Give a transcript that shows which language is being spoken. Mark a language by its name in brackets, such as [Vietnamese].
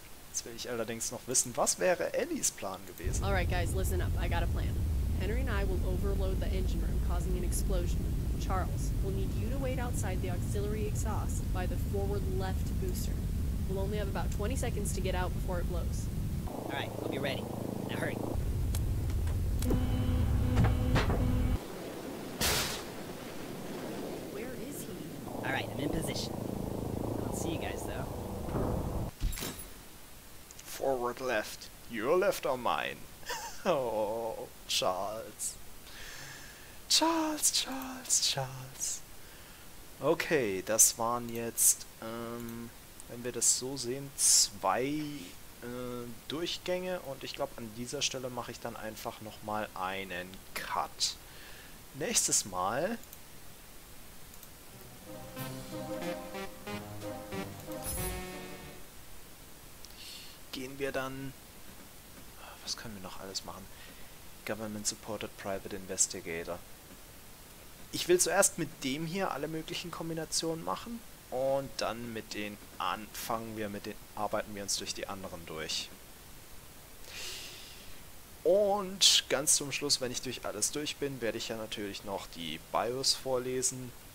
[German] Jetzt will ich allerdings noch wissen, was wäre Ellies Plan gewesen? [English] Alright guys, listen up. I got a plan. Henry and I will overload the engine room, causing an explosion. Charles, we'll need you to wait outside the auxiliary exhaust by the forward left booster. We'll only have about 20 seconds to get out before it blows. Alright, I'll be ready. Now hurry. Where is he? Alright, I'm in position. I'll see you guys though. Forward left. Your left or mine? Oh, Charles. Charles, Charles, Charles. [German] Okay, das waren jetzt, wenn wir das so sehen, zwei Durchgänge und ich glaube, an dieser Stelle mache ich dann einfach nochmal einen Cut. Nächstes Mal. Gehen wir dann. Was können wir noch alles machen? [English] Government Supported Private Investigator. [German] Ich will zuerst mit dem hier alle möglichen Kombinationen machen. Und dann mit den arbeiten wir uns durch die anderen durch. Und ganz zum Schluss, wenn ich durch alles durch bin, werde ich ja natürlich noch die BIOS vorlesen.